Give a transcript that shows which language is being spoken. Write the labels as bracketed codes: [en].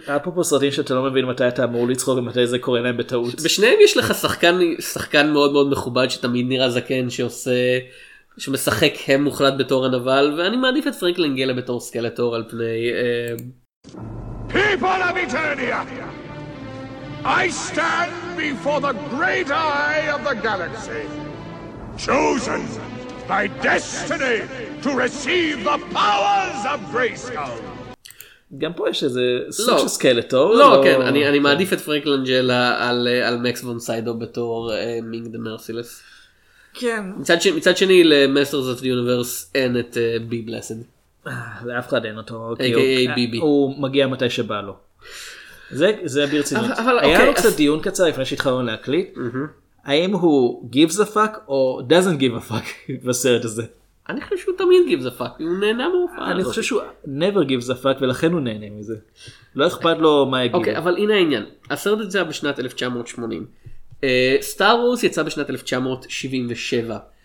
[he] אפרופו סרטים שאתה לא מבין מתי אתה אמור לצחוק ומתי זה קורה להם בטעות. בשניהם יש לך שחקן מאוד מאוד מכובד שתמיד נראה זקן שמשחק הם מוחלט בתור הנבל, ואני מעדיף את פרנקלין גלה בתור סקלטור על פני... [en] People of Eternia! I stand before the great eye of the galaxy! Chosen by destiny to receive the powers of Grayskull. [he] גם פה יש איזה סוג של סקלטור. לא, כן, אני מעדיף את פרנק לנג'לה על מקס וון סיידו בתור מינג דה מרסילס. כן. מצד שני, למאסטרס אוף דה יוניברס אין את בי בלסד. לאף אחד אין אותו. [en] A.K.A. BB. [he] הוא מגיע מתי שבא לו. זה ברצינות. היה לו קצת דיון קצר לפני שהתחלנו להקליט. האם הוא [en] gives a fuck [he] או [en] doesn't give a fuck [he] בסרט הזה? אני חושב שהוא תמיד [en] gives a fuck, [he] הוא נהנה מהופעה. אני חושב שהוא [en] never gives a fuck [he] ולכן הוא נהנה מזה. לא אכפת לו מה יגיד. אוקיי, אבל הנה העניין. הסרט הזה היה בשנת 1980. סטאר וורס יצא בשנת 1977.